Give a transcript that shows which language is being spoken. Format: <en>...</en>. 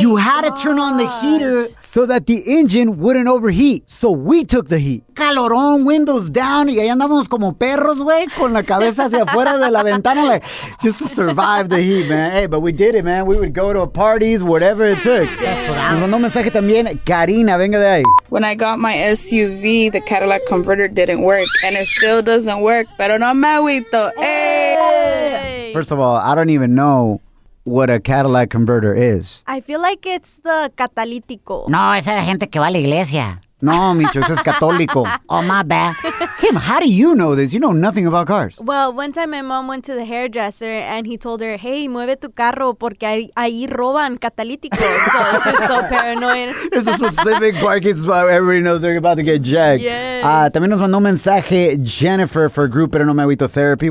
<en>you had to turn on the heater so that the engine wouldn't overheat. So we took the heat. Calorón, windows down,</en> <es>y ahí andamos como perros, güey, con la cabeza hacia afuera de la ventana,</es> <en>like, just to survive the heat, man. Hey, but we did it, man. We would go to parties, whatever it took.</en> <es>Nos mandó mensaje también, Karina, venga de ahí.</es> <en>When I got my SUV, the Cadillac converter didn't work, and it still doesn't work,</en> <es>pero no me agüito. Hey!</es> <en>First of all, I don't even know what a Cadillac converter is. I feel like it's the catalítico.</en> <es>No, esa es gente que va a la iglesia. No, Micho, ese es católico.</es> <en>Oh, my bad. Kim, how do you know this? You know nothing about cars. Well, one time my mom went to the hairdresser and he told her, hey,</en> <es>mueve tu carro porque ahí roban catalíticos.</es> <en>So she's so paranoid. It's a specific parking spot where everybody knows they're about to get jacked. Yes.</en> <es>También nos mandó mensaje Jennifer for group Pero No Me Agüito Therapy.</es>